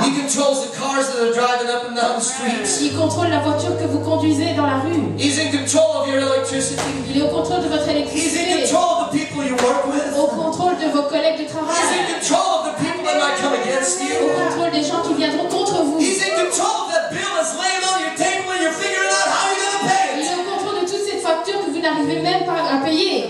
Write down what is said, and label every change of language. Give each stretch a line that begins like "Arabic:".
English: He controls the cars that are driving up and down the street.
French: Il contrôle la voiture que vous conduisez dans la rue.
English: He's in control of your electricity.
French: Il est au contrôle de votre électricité.
English: He's in control of the people you work with.
French: Au contrôle de vos collègues de travail.
English: He's in control of the people that might come against you.
French: Au contrôle des gens qui viendront contre vous.
English: He's in control of that bill that's laying on your table and you're figuring out how you're going to pay it.
French: Il est au contrôle de toute cette facture que vous n'arrivez même pas à payer.